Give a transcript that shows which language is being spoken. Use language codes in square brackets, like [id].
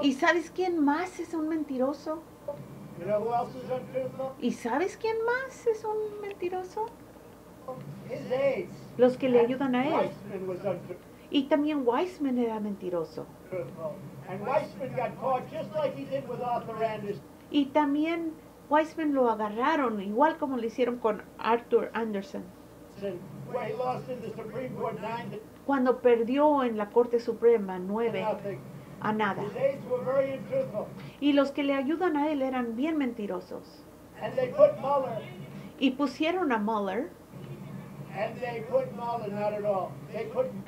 [es] ¿Y sabes quién más es un mentiroso? [en] You know who else is untruthful? [es] ¿Y sabes quién más es un mentiroso? [en] His aides. [es] Los que le ayudan a él. [en] Weissman was untruthful. [es] Y también Weissman era mentiroso. [en] And Weissman got caught just like he did with Arthur Anderson. [es] Y también Weissman lo agarraron igual como lo hicieron con Arthur Anderson. [en] Where he lost in the Supreme Court 9 to [es] cuando perdió en la Corte Suprema 9 a nada. [en] His aides were very untruthful. [es] Y los que le ayudan a él eran bien mentirosos. [en] And they put Mueller. [es] Y pusieron a Mueller. [en] And they put Mueller, not at all. They put